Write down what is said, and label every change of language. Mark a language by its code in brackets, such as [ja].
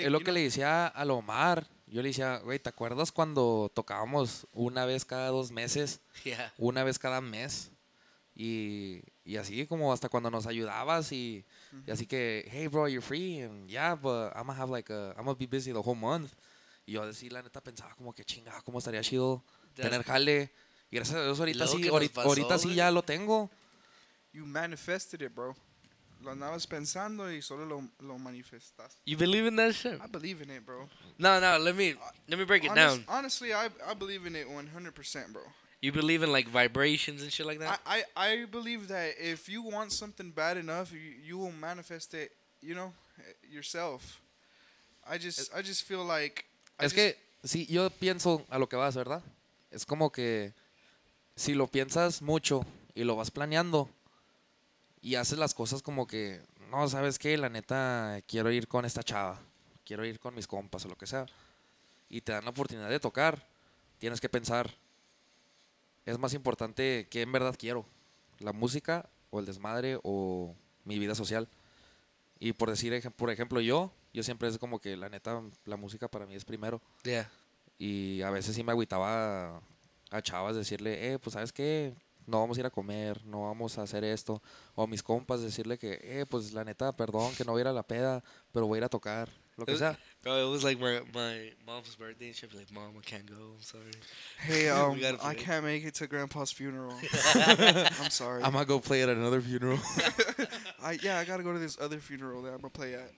[es] Y es lo que le decía a Omar. Yo le decía, güey, ¿te acuerdas cuando tocábamos una vez cada 2 meses? [en] Yeah. [es] Una vez cada mes. Y así como hasta cuando nos ayudabas y, mm-hmm, y así que, [en] hey, bro, you're free. And yeah, but I'm gonna be busy the whole month. [es] Y yo así, la neta, pensaba como que chingada, cómo estaría chido tener jale. Y gracias a Dios, ahorita sí ya lo tengo. [en] You manifested it, bro. [es] Lo andabas pensando y solo lo manifestas. [en] You believe in that shit? I believe in it, bro. No, let me break it down. Honestly, I believe in it 100%, bro. You believe in, like, vibrations and shit like that? I believe that if you want something bad enough, you will manifest it, you know, yourself. I just feel like... [es] Si yo pienso a lo que vas, ¿verdad? Es como que si lo piensas mucho y lo vas planeando... Y haces las cosas como que, no, ¿sabes qué? La neta, quiero ir con esta chava. Quiero ir con mis compas o lo que sea. Y te dan la oportunidad de tocar. Tienes que pensar. Es más importante qué en verdad quiero. La música o el desmadre o mi vida social. Y por decir, por ejemplo, yo siempre es como que la neta, la música para mí es primero. [en] Yeah. [es] Y a veces sí me agüitaba a chavas decirle, pues sabes qué, no vamos a ir a comer, no vamos a hacer esto. O a mis compas decirle que, pues la neta, perdón, que no voy a ir a la peda, pero voy a ir a tocar, lo que sea. [en] Bro, it was like my mom's birthday, and she'd be like, mom, I can't go, I'm sorry. Hey, I can't make it to grandpa's funeral. I'm sorry. I'm gonna go play at another funeral. I gotta go to this other funeral that I'm gonna play at.